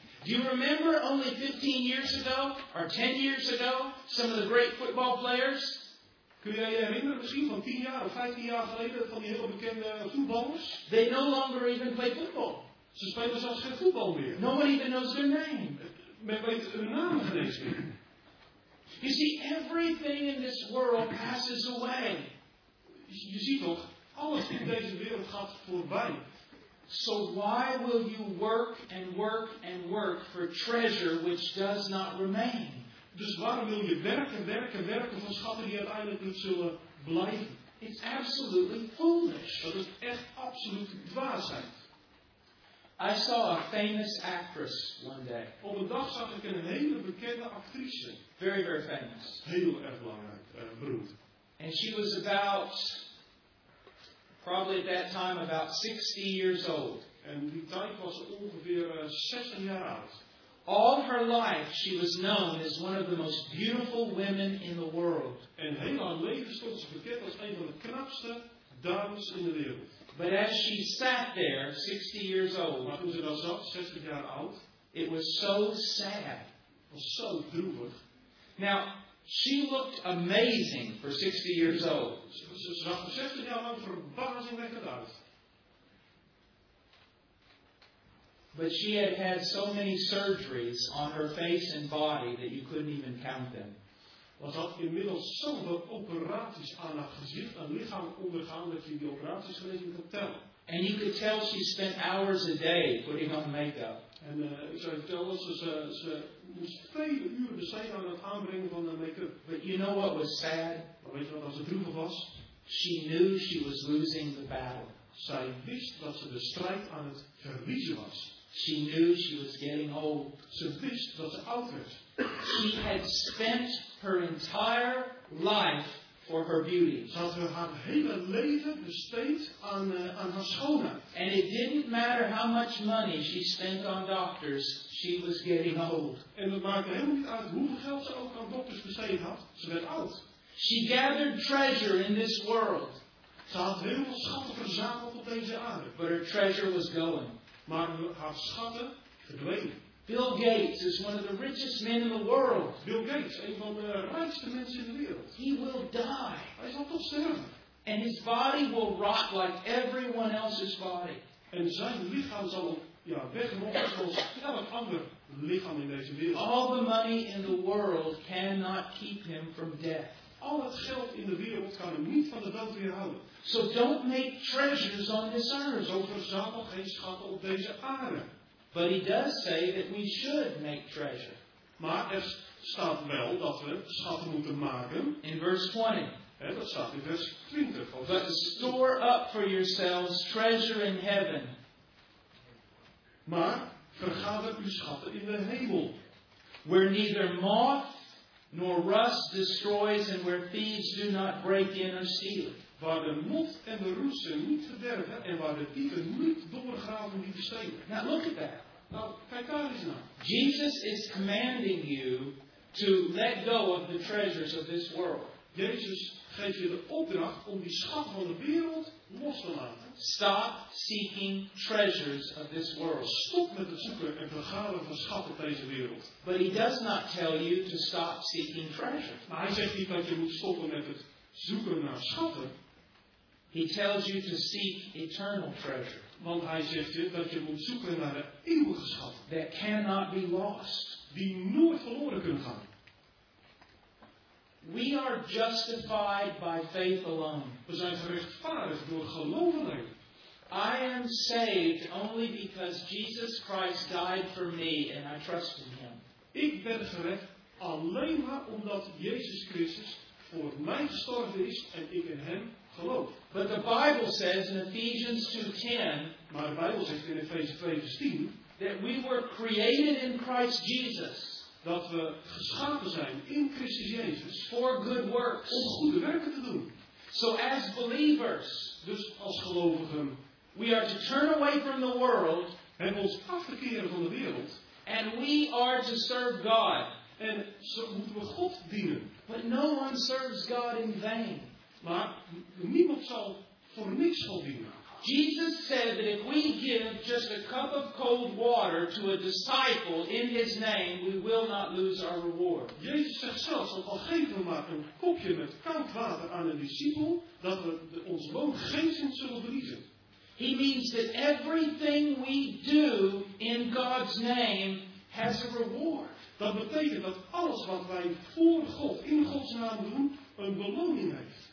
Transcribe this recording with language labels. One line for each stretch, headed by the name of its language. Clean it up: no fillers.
English: Do you remember only 15 years ago? Or 10 years ago? Some of the great football players.
Dutch: Kun jij je herinneren misschien van 10 jaar of 15 jaar geleden van die heel bekende voetballers?
English: They no longer even play football.
Dutch: Ze spelen zelfs geen voetbal meer.
English: Nobody even knows their name.
Dutch: Men weet hun naam niet eens meer.
English: You see, everything in this world passes away.
Dutch: Je ziet toch, alles in deze wereld gaat voorbij.
English: So why will you work and work and work for treasure which does not remain?
Dutch: Dus waarom wil je werken, werken, werken voor schatten die uiteindelijk niet zullen blijven?
English: It's absolutely foolish.
Dutch: Dat is echt absoluut dwaasheid.
English: I saw a famous actress one day.
Dutch: Op een dag zag ik een hele bekende actrice.
English: Very, very famous.
Dutch: Heel erg belangrijk, beroemd.
English: And she was about, probably at that time, about 60 years old.
Dutch: En die tijd was ongeveer 60 jaar oud.
English: All her life she was known as one of the most beautiful women in the world.
Dutch: En heel haar leven stond ze bekend als een van de knapste dames in de wereld.
English: But as she sat there, 60 years old,
Dutch: maar toen ze dan zat, 60 jaar oud,
English: it was so sad.
Dutch: Het was zo droevig.
English: Now, she looked amazing for 60 years old.
Dutch: Ze zag er 60 jaar lang verbazingwekkend uit.
English: But she had so many surgeries on her face and body that you couldn't even count them.
Dutch: Was had inmiddels zoveel operaties aan haar gezicht en lichaam ondergaan dat je die operaties geweest niet kan tellen.
English: And you could tell she spent hours a day putting on makeup.
Dutch: En ik zou je vertellen, ze moest vele uren besteden aan het aanbrengen van haar make-up.
English: But you know what was sad?
Dutch: Maar weet je wat als het droevig was?
English: She knew she was losing the battle.
Dutch: Zij wist dat ze de strijd aan het verliezen was.
English: She knew she was getting old.
Dutch: Ze wist dat ze oud werd.
English: She had spent her entire life for her beauty.
Dutch: Ze had haar hele leven besteed aan haar schoonheid.
English: And it didn't matter how much money she spent on doctors, she was getting old.
Dutch: En het maakte helemaal niet uit hoeveel geld ze ook aan dokters besteed had, ze werd oud.
English: She gathered treasure in this world.
Dutch: Ze had heel veel schatten verzameld op deze aarde.
English: But her treasure was going.
Dutch: Maar haar schatten verdwenen.
English: Bill Gates is one of the richest men in the world.
Dutch: Bill Gates, een van de rijkste mensen in de wereld.
English: He will die.
Dutch: Hij zal toch sterven.
English: And his body will rot like everyone else's body.
Dutch: En zijn lichaam zal wegrotten zoals elk ander lichaam in deze wereld.
English: All the money in the world cannot keep him from death.
Dutch: Al het geld in de wereld kan hem niet van de dood weerhouden.
English: So don't make treasures on this earth.
Dutch: Zo verzamel geen schatten op deze aarde.
English: But he does say that we should make treasure.
Dutch: Maar er staat wel dat we schatten moeten maken.
English: In verse 20.
Dutch: He, dat staat in vers 20.
English: But store up for yourselves treasure in heaven.
Dutch: Maar vergader uw schatten in de hemel.
English: Where neither moth nor rust destroys and where thieves do not break in or steal.
Dutch: Waar de mot en de roesten niet verderven en waar de dieven niet doorgraven die verstelen.
English: Now look at that.
Dutch: Nou, kijk daar eens naar.
English: Jesus is commanding you to let go of the treasures of this world.
Dutch: Jezus geeft je de opdracht om die schat van de wereld los te laten.
English: Stop seeking treasures of this world.
Dutch: Stop met het zoeken en vergaren van schat op deze wereld.
English: But he does not tell you to stop seeking treasure.
Dutch: Maar hij zegt niet dat je moet stoppen met het zoeken naar schatten.
English: He tells you to seek eternal treasure.
Dutch: Want hij zegt dat je moet zoeken naar de eeuwige schat.
English: That cannot be lost.
Dutch: Die nooit verloren kunnen gaan.
English: We are justified by faith alone.
Dutch: We zijn gerechtvaardigd door geloof alleen.
English: I am saved only because Jesus Christ died for me and I trust in him.
Dutch: Ik ben gered alleen maar omdat Jezus Christus voor mij gestorven is en ik in hem geloof.
English: But the Bible says in Ephesians 2:10,
Dutch: maar de Bijbel zegt in Efeze 2:10,
English: that we were created in Christ Jesus.
Dutch: Dat we geschapen zijn in Christus Jezus.
English: For good works.
Dutch: Om goede werken te doen.
English: So as believers,
Dutch: dus als gelovigen,
English: we are to turn away from the world,
Dutch: hebben ons af te keren van de wereld,
English: and we are to serve God,
Dutch: en zo moeten we God dienen.
English: But no one serves God in vain.
Dutch: Maar niemand zal voor niks God dienen.
English: Jesus said that if we give just a cup of cold water to a disciple in his name, we will not lose our reward.
Dutch: Jezus zegt zelfs dat al geven we maar een kopje met koud water aan een discipel, dat we ons loon geenszins zullen verliezen.
English: He means that everything we do in God's name has a reward.
Dutch: Dat betekent dat alles wat wij voor God, in Gods naam doen, een beloning heeft.